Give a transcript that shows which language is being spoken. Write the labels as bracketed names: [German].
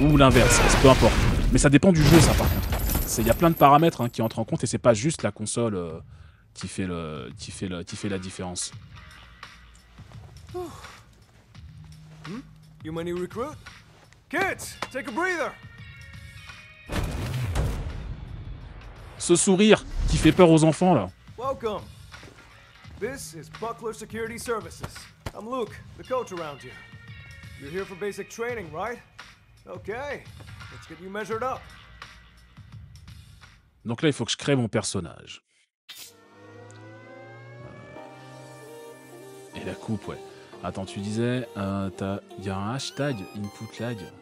[French] Ou l'inverse, peu importe. Mais ça dépend du jeu, ça par contre. Il y a plein de paramètres hein, qui entrent en compte et c'est pas juste la console qui fait la différence. [English] You money recruit? Kids, take a breather. [French] Ce sourire qui fait peur aux enfants là. [English] Welcome. This is Buckler Security Services. I'm Luke, the coach around you. You're here for basic training, right? Okay. Let's get you measured up. [French] Donc là, il faut que je crée mon personnage. Et la coupe, ouais. Attends, tu disais, il y a un hashtag input lag.